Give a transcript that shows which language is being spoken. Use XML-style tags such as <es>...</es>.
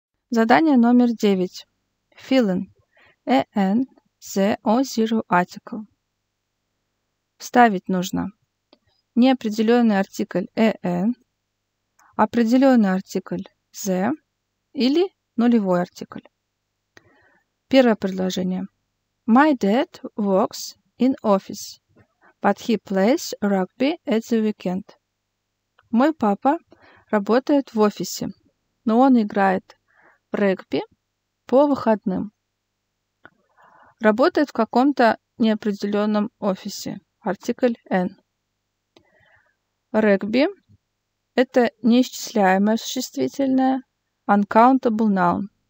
<ru>Задание номер 9.</ru> <en>Fill in – EN – the or zero article.</en> <ru>Вставить нужно неопределенный артикль an, определенный артикль the или нулевой артикль. Первое предложение.</ru> <en>My dad works in office, but he plays rugby at the weekend.</en> <ru>Мой папа работает в офисе, но он играет в регби по выходным. Работает в каком-то неопределенном офисе. Артикль N. Регби – это неисчисляемое существительное, uncountable noun.</ru>